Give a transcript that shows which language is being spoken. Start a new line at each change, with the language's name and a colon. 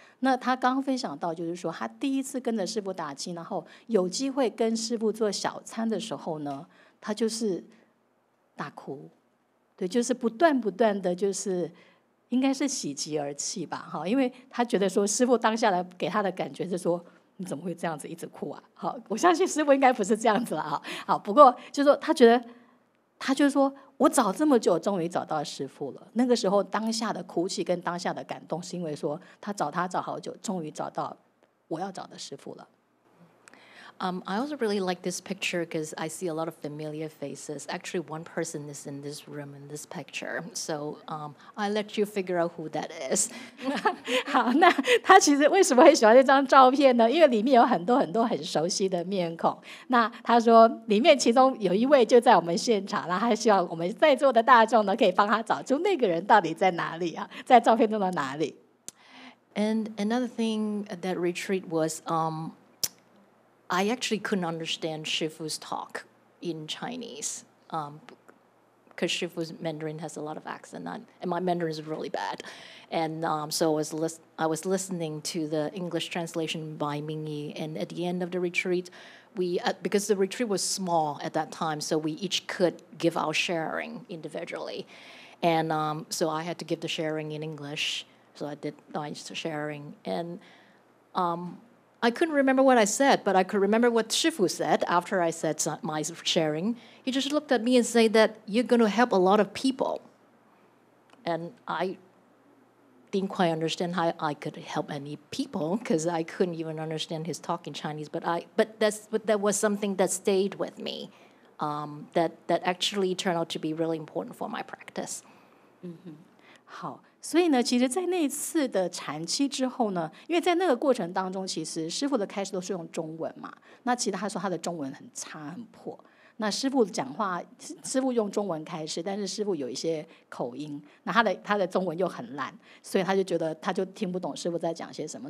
Chinese: 那他刚分享到就是说他第一次跟着师父打气，然后有机会跟师父做小餐的时候呢，他就是大哭，对，就是不断的就是应该是喜极而泣吧，因为他觉得说师父当下来给他的感觉是说你怎么会这样子一直哭啊，好，我相信师父应该不是这样子了，好，不过就是说他觉得他就是说我找这么久终于找到师父了，那个时候当下的哭泣跟当下的感动是因为说他找好久终于找到我要找的师父了。
English: I also really like this picture because I see a lot of familiar faces. Actually, one person is in this room in this picture. So I let you figure out who that is.
Chinese: 好，那他其实为什么会喜欢这张照片呢？因为里面有很多很多很熟悉的面孔。那他说里面其中有一位就在我们现场，然后他希望我们在座的大众呢可以帮他找出那个人到底在哪里啊，在照片中的哪里。
English: And another thing that retreat was, I actually couldn't understand Shifu's talk in Chinese, because Shifu's Mandarin has a lot of accent, and my Mandarin is really bad. And so I was listening to the English translation by Mingyi, and at the end of the retreat, because the retreat was small at that time, so we each could give our sharing individually. And so I had to give the sharing in English, so I did nice sharing. And I couldn't remember what I said, but I could remember what Shifu said after I said my sharing. He just looked at me and said that you're going to help a lot of people. And I didn't quite understand how I could help any people because I couldn't even understand his talk in Chinese. But that was something that stayed with me, that actually turned out to be really important for my practice.
Chinese: Mm-hmm. 好。所以呢，其实，在那次的禅期之后呢，因为在那个过程当中，其实师父的开始都是用中文嘛。那其实他说他的中文很差很破。那师父讲话，师父用中文开始，但是师父有一些口音，那他的中文又很烂，所以他就觉得他就听不懂师父在讲些什么。